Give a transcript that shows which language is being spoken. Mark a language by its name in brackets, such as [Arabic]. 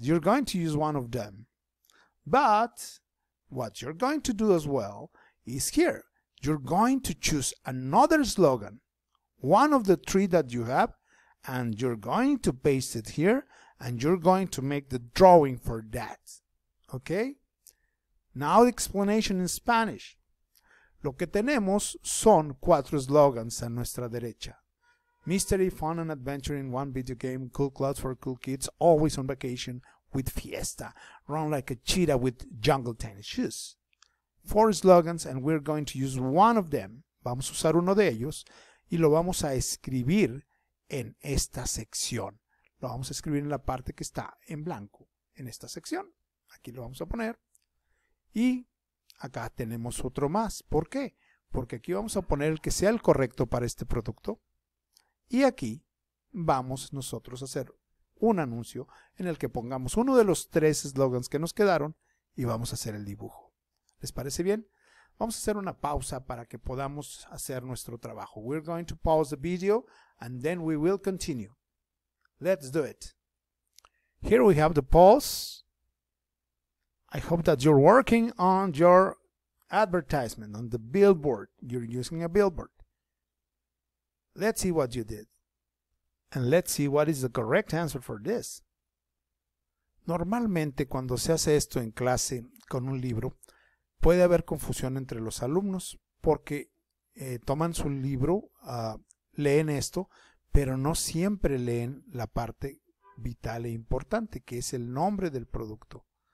[English] You're going to use one of them. But what you're going to do as well is here. You're going to choose another slogan. one of the three that you have, and you're going to paste it here, and you're going to make the drawing for that. Okay? Now the explanation in Spanish. [Spanish] Lo que tenemos son cuatro slogans a nuestra derecha. [English] Mystery, fun, and adventure in one video game. Cool clothes for cool kids. Always on vacation with Fiesta. Run like a cheetah with jungle tennis shoes. Four slogans, and we're going to use one of them. [Spanish] Vamos a usar uno de ellos y lo vamos a escribir en esta sección. Lo vamos a escribir en la parte que está en blanco. En esta sección. Aquí lo vamos a poner. Y acá tenemos otro más. ¿Por qué? Porque aquí vamos a poner el que sea el correcto para este producto. Y aquí vamos nosotros a hacer un anuncio en el que pongamos uno de los tres slogans que nos quedaron y vamos a hacer el dibujo. ¿Les parece bien? Vamos a hacer una pausa para que podamos hacer nuestro trabajo. [English] We're going to pause the video and then we will continue. Let's do it. Here we have the pause. I hope that you're working on your advertisement, on the billboard. You're using a billboard. Let's see what you did. And let's see what is the correct answer for this. [Spanish] Normalmente, cuando se hace esto en clase con un libro, puede haber confusión entre los alumnos porque toman su libro, leen esto, pero no siempre leen la parte vital e importante, que es el nombre del producto.